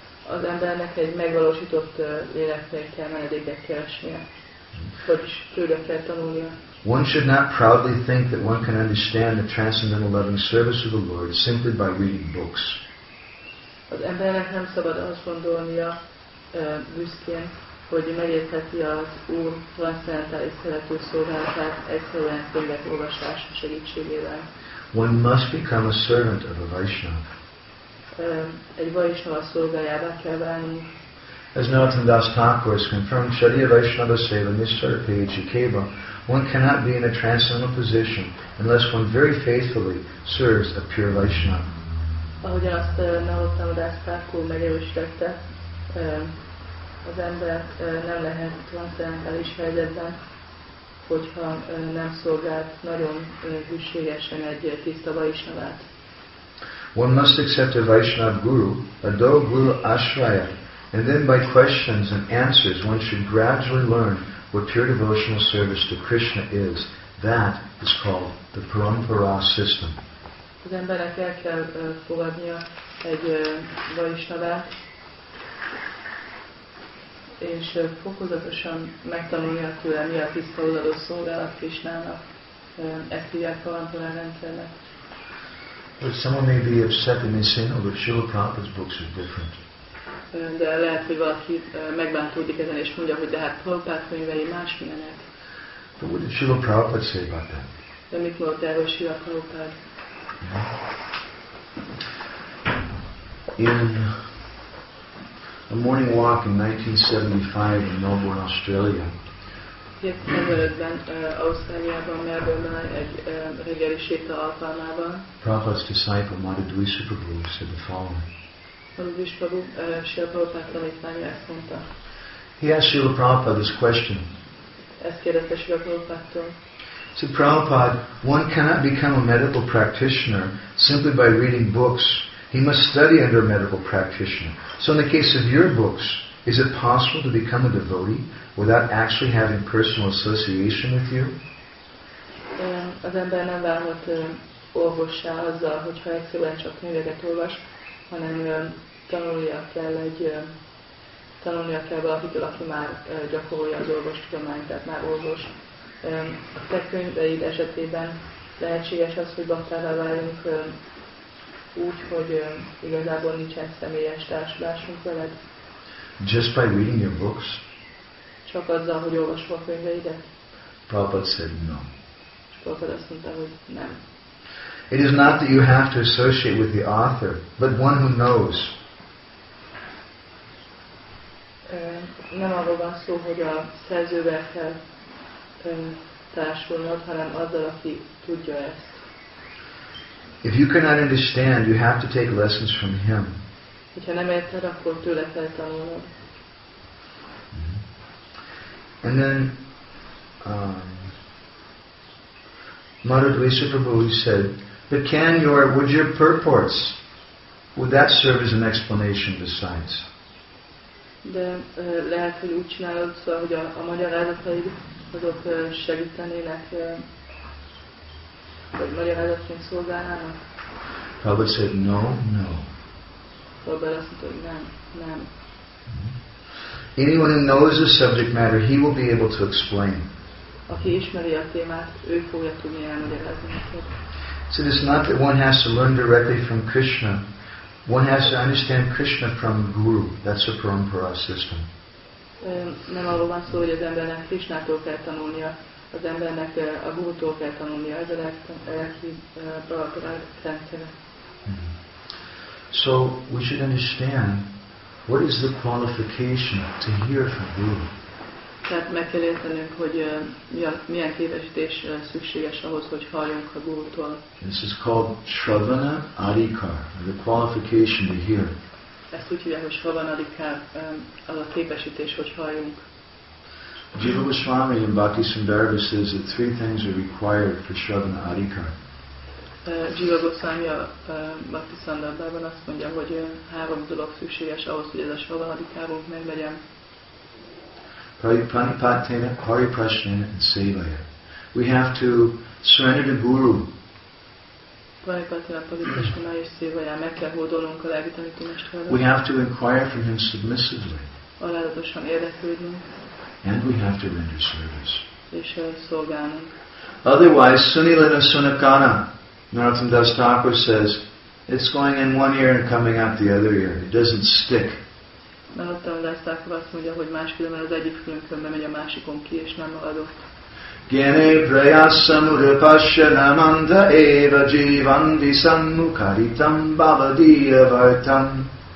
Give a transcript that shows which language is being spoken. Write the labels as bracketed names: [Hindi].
[Hungarian] Az embernek egy megvalósított életnek kell menedéket keresnie, hogy tőle kell tanulnia. [English] One should not proudly think that one can understand the transcendental loving service of the Lord simply by reading books. [Hungarian] Az embernek nem szabad azt gondolnia büszkén, hogy megértheti az Úr transzcendentális szerető szolgálatát egyszerűen könyvek olvasása segítségével. [English] One must become a servant of a Vaishnava. [Hungarian] Egy Vaishnava szolgájává kell válni. [English] As Nautam Das Thakur has confirmed, [Bangla] Shariya Vaishnava Seva Nisar Peji Keva, [English] one cannot be in a transcendental position unless one very faithfully serves a pure Vaishnava. [Hungarian] Ahogyan azt Nautam Das Thakur megerősítette, az ember nem lehet transzendentális helyzetben, hogyha nem szolgált nagyon hűségesen egy tiszta Vaishnavát. [English] One must accept a Vaishnava Guru, a Do Guru Ashraya, and then by questions and answers one should gradually learn what pure devotional service to Krishna is. That is called the Parampara system. [Hungarian] Az embernek el kell fogadnia egy Vaishnavát, és fokozatosan megtanulnia tőle, mi a tiszta odaadó szolgálat Krishnának. Ezt hívják Parampara rendszernek. [English] But someone may be upset and may say, no, but Srila Prabhupada's books are different. [Hungarian] De lehet, hogy valaki megbántódik ezen, és mondja, hogy de hát Prabhupada könyvei másmilyenek. [English] But what did Srila Prabhupada say about that? [Hungarian] De mit mondott erről Srila Prabhupada? [English] In a morning walk in 1975 in Melbourne, Australia, [Hungarian] 2005-ben Ausztráliában, Melbourne-ben egy reggeli séta alkalmában [English] Prabhupada's disciple Madhudwi Subhaguru said the following. [Hungarian] Madhudwi Subhaguru, Srila Prabhupada tanítványa ezt mondta. [English] He asked Srila Prabhupada this question. [Hungarian] Ezt kérdezte Srila Prabhupádtól. [English] So Prabhupada, one cannot become a medical practitioner simply by reading books. He must study under a medical practitioner. So in the case of your books, is it possible to become a devotee without actually having personal association with you? [Hungarian] Az ember nem válhat orvossá azzal, hogyha egyszerűen csak könyveket olvas, hanem tanulnia kell valakitől, aki már gyakorolja az orvostudományt, tehát már orvos. A te könyveid esetében lehetséges az, hogy baktává válunk úgy, hogy igazából nincsen személyes társulásunk veled. [English] Just by reading your books? [Hungarian] Csak azzal, hogy olvasom a könyveidet? [English] Prabhupada said no. [Hungarian] Prabhupada azt mondta, hogy nem. [English] It is not that you have to associate with the author, but one who knows. [Hungarian] Nem arról van szó, hogy a szerzővel kell társulnod, hanem azzal, aki tudja ezt. [English] If you cannot understand, you have to take lessons from him. [Hungarian] Hogyha nem érted, akkor tőle kell tanulnod. [English] And then Madhudwi Subhaguru said, but can your, would your purports, would that serve as an explanation besides? [Hungarian] De lehet, hogy úgy csinálod, szóval, hogy a magyarázataid azok segítenének, vagy magyarázatként szolgálnának? [English] Prabhupada said, no, no. [Hungarian] Prabhupada azt mondta, hogy nem, nem. [English] Anyone who knows the subject matter, he will be able to explain. [Hungarian] Aki ismeri a témát, ő fogja tudni elmagyarázni. [English] So it is not that one has to learn directly from Krishna. One has to understand Krishna from Guru. That's a parampara system. [Hungarian] Nem arról van szó, hogy az embernek Krishnától kell tanulnia. Az embernek a Gurutól kell tanulnia. Ez a legfontosabb. [English] So we should understand, what is the qualification to hear from Guru? [Hungarian] Tehát meg kell értenünk, hogy milyen képesítés szükséges ahhoz, hogy halljunk a Gurutól. [English] This is called Shravana Adhikar, the qualification to hear. [Hungarian] Ezt úgy hívják, hogy Shravana Adhikar, az a képesítés, hogy halljunk. [English] Jiva Goswami in Bhakti Sundarva says that three things are required for Shravana Adhikar. [Hungarian] Jiva Goswami a Bhakti Sundarvában azt mondja, hogy három dolog szükséges ahhoz, hogy ez a Shravana Adhikárunk meglegyen. [English] Paripanipattena, Pariprasnena and Sevaya. We have to surrender to Guru. [Hungarian] Paripanipattena, Pariprasnena és Sevaya. Meg kell hódolnunk a lelki tanító mesterhez. [English] We have to inquire from him submissively. [Hungarian] Alázatosan érdeklődnünk. [English] And we have to render service. [Hungarian] És szolgálnunk. [English] Otherwise, [Bangla] Sunilana Sunakana, [English] Narottam Das Thakur says, it's going in one ear and coming out the other ear. It doesn't stick. [Hungarian] Narottam Das Thakur azt mondja, hogy máskülönben az egyik fülünkön bemegy a másikon ki, és nem adott. [Sanskrit] Gyene prayasam urpashanamanda eva jivandi sammukaritam bhavadiyavartam.